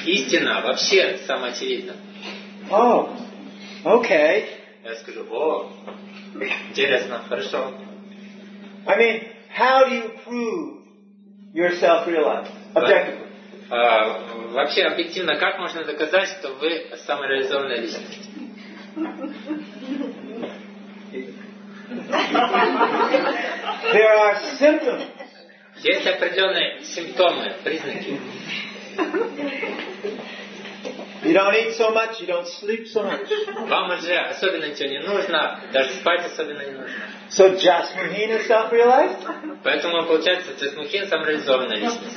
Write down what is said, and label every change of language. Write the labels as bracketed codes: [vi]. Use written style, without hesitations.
[ru] Истина вообще самоочевидна. [en] Oh, okay. [ru] Я скажу, о, интересно, хорошо. [en] I mean, how do you prove yourself realized? Objectively. [ru] Вообще объективно, как можно доказать, что вы самореализованная личность? [en] There are symptoms. [ru] Есть определенные симптомы, признаки. [en] You don't eat so much, you don't sleep so much. [ru] Вам уже особенно ничего не нужно, даже спать особенно не нужно. [en] So just Mukhin is self-realized? [ru] Поэтому получается, что Mukhin самореализованная личность.